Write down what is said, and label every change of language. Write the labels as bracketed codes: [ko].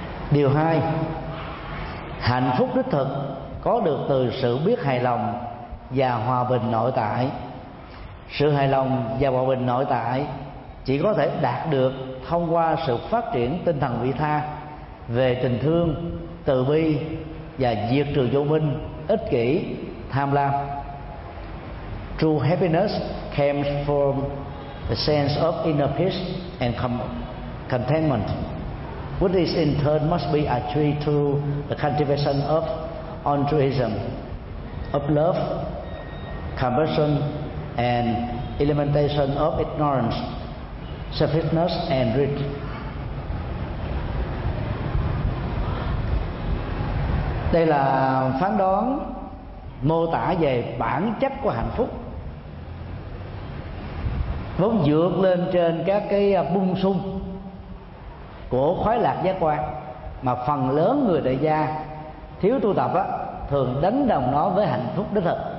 [vi] Điều hai, hạnh phúc đích thực có được từ sự biết hài lòng và hòa bình nội tại. Sự hài lòng và hòa bình nội tại chỉ có thể đạt được thông qua sự phát triển tinh thần vị tha về tình thương, từ bi và diệt trừ vô minh, ích kỷ, tham lam. [en] True happiness comes from the sense of inner peace and contentment, which is in turn must be achieved through the cultivation of altruism, of love, compassion, and elimination of ignorance, selfishness, and greed. [vi] Đây là phán đoán mô tả về bản chất của hạnh phúc, vốn vượt lên trên các cái bung sung của khoái lạc giác quan mà phần lớn người đại gia thiếu tu tập á, thường đánh đồng nó với hạnh phúc đích thực.